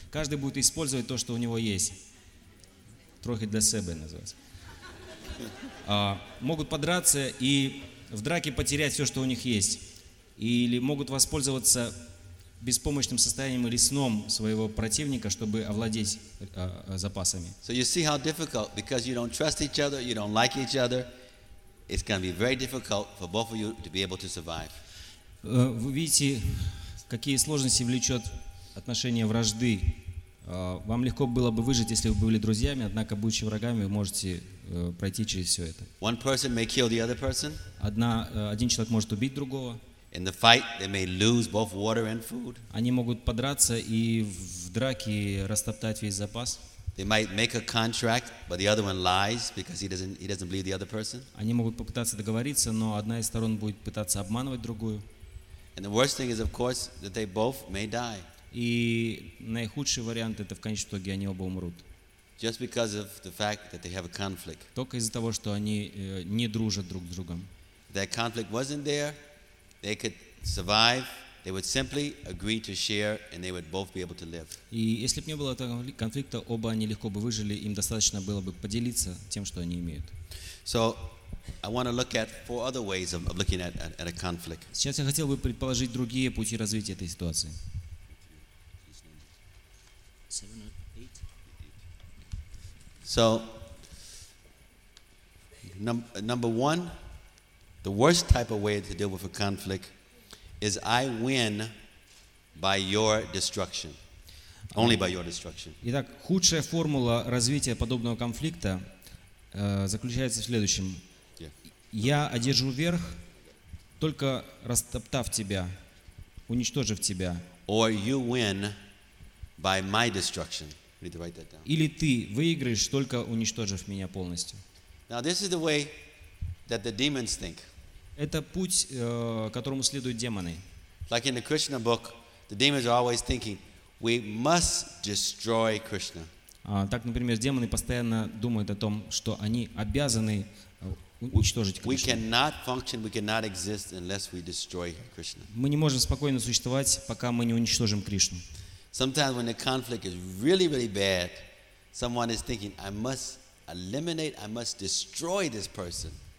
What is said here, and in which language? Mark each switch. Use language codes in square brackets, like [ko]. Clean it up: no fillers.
[ru] Каждый будет использовать то, что у него есть. Трохи для себя называется. Могут подраться и в драке потерять все, что у них есть. Или могут воспользоваться беспомощным состоянием или сном своего противника, чтобы овладеть запасами. [en] So you see how difficult, because you don't trust each other, you don't like each other, it's going to be very difficult for both of you to be able to survive. [ru] Вы видите, какие сложности влечет отношения вражды. Вам легко было бы выжить, если вы были друзьями, однако, будучи врагами, вы можете пройти через все это. [en] One person may kill the other person. [ru] Один человек может убить другого. [en] In the fight, they may lose both water and food. [ru] Они могут подраться и в драке растоптать весь запас. [en] They might make a contract, but the other one lies because he doesn't believe the other person. [ru] Они могут попытаться договориться, но одна из сторон будет пытаться обманывать другую. [en] And the worst thing is, of course, that they both may die. [ru] И наихудший вариант — это в конечном итоге они оба умрут. [en] Just because of the fact that they have a conflict. [ru] Только из-за того, что они не дружат друг с другом. [en] If that conflict wasn't there, they could survive. They would simply agree to share, and they would both be able to live. [ru] И если бы не было этого конфликта, оба они легко бы выжили. Им достаточно было бы поделиться тем, что они имеют. [en] So, I want to look at four other ways of looking at a conflict. [ru] Сейчас я хотел бы предположить другие пути развития этой ситуации. [en] So, number one, the worst type of way to deal with a conflict is I win by your destruction. Only by your destruction. [ru] Итак, худшая формула развития подобного конфликта заключается в следующем. Я одержу верх, только растоптав тебя, уничтожив тебя. [en] Or you win by my destruction. We need to write that down. [ru] Или ты выиграешь, только уничтожив меня полностью. [en] Now this is the way that the demons think. [ru] Это путь, которому следуют демоны. [en] Like in the Krishna book, the demons are always thinking, we must destroy Krishna. [ru] Так, например, демоны постоянно думают о том, что они обязаны уничтожить Кришну. [en] We cannot function, we cannot exist unless we destroy Krishna. [ru] Мы не можем спокойно существовать, пока мы не уничтожим Кришну. [en] Sometimes when the conflict is really, really bad, someone is thinking, I must eliminate, I must destroy this person.